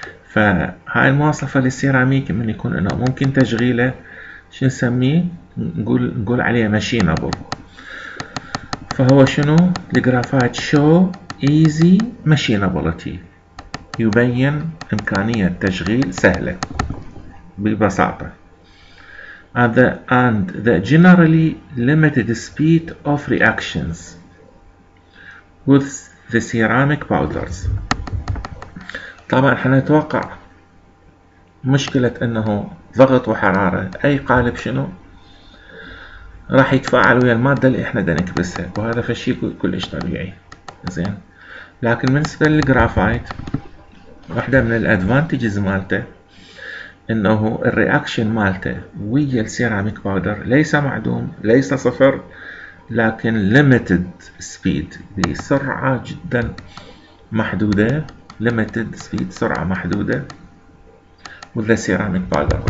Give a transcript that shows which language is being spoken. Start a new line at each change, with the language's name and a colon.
Arabic: فهاي المواصفة للسيراميك من يكون انه ممكن تشغيله شو نسميه؟ نقول عليه ماشينابل. فهو شنو؟ الجرافايت شو ايزي ماشينابلتي، يبين إمكانية تشغيل سهلة ببساطة.
English: And the generally limited speed of reactions with the ceramic powders.
Arabic: طبعا احنا نتوقع مشكلة انه ضغط وحرارة اي قالب شنو راح يتفاعل ويا المادة اللي احنا دنكبسها، وهذا فشي كلش طبيعي زين. لكن بالنسبة للجرافايت واحدة من الادفانتجز مالته انه الرياكشن مالته ويا السيراميك باودر ليس معدوم، ليس صفر، لكن ليميتد سبيد، بسرعة جدا محدودة، ليميتد سبيد، سرعة محدودة وذا سيراميك باودر.